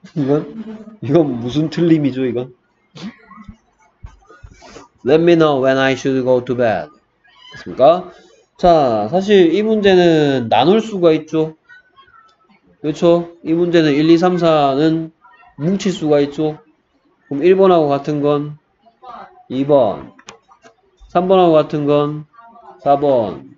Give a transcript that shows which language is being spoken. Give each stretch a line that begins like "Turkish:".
Korean: 이건 무슨 틀림이죠 이건?
English: Let me know when I should go to bed.
Korean: 됐습니까? 자, 사실 이 문제는 나눌 수가 있죠. 그렇죠? 이 문제는 1, 2, 3, 4는 뭉칠 수가 있죠. 그럼 1번하고 같은 건 2번, 3번하고 같은 건 4번.